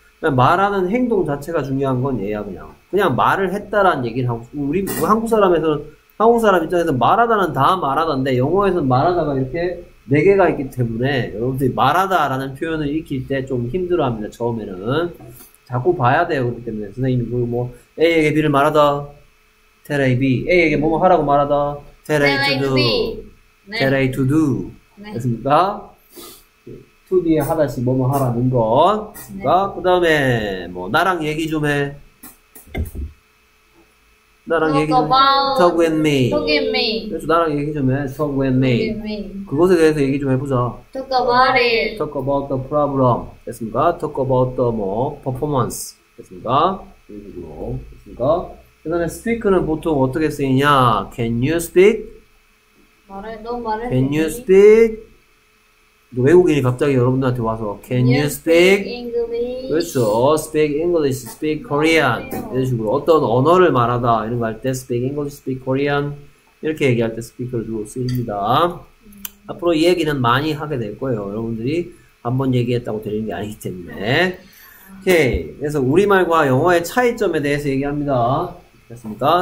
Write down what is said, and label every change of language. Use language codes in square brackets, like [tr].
[ko] 그냥 말하는 행동 자체가 중요한 건 얘야. 그냥 말을 했다라는 얘기를 하고, 우리 한국 사람에서는, 한국 사람 입장에서는 말하다는 다 말하다인데, 영어에서는 말하다가 이렇게 네 개가 있기 때문에 여러분들이 말하다라는 표현을 익힐 때 좀 힘들어합니다. 처음에는 자꾸 봐야 돼요. 그렇기 때문에 선생님이 그리고 뭐 A에게 B를 말하다, Tell A B. A에게 뭐뭐 하라고 말하다, [en] Tell A to do. Tell A to do. [ko] 됐습니까? 2 뒤에 하다시 뭐뭐 하라는 것. 그니까, 네. 그 다음에, 뭐, 나랑 얘기 좀 해. 나랑 얘기 좀 해. [en] Talk with me. Talk with me. [ko] 그래서 나랑 얘기 좀 해. [en] Talk with me. Talk with me. [ko] 그것에 대해서 얘기 좀 해보자. [en] Talk about it. Talk about the problem. [ko] 됐습니까? [en] Talk about the 뭐, performance. [ko] 됐습니까? 이런 식으로. 됐습니까? 그 다음에 speak는 보통 어떻게 쓰이냐. [en] Can you speak? [ko] 말해, 너 말해. [en] Can you speak? [ko] 외국인이 갑자기 여러분들한테 와서 [en] Can you speak English? [ko] 그렇죠. [en] Speak English, speak Korean. [ko] 이런 식으로 어떤 언어를 말하다 이런 거 할 때 [en] Speak English, speak Korean [ko] 이렇게 얘기할 때 speak를 주로 쓰입니다. 앞으로 이 얘기는 많이 하게 될 거예요. 여러분들이 한번 얘기했다고 되는 게 아니기 때문에. 오케이. 그래서 우리말과 영어의 차이점에 대해서 얘기합니다. 됐습니까?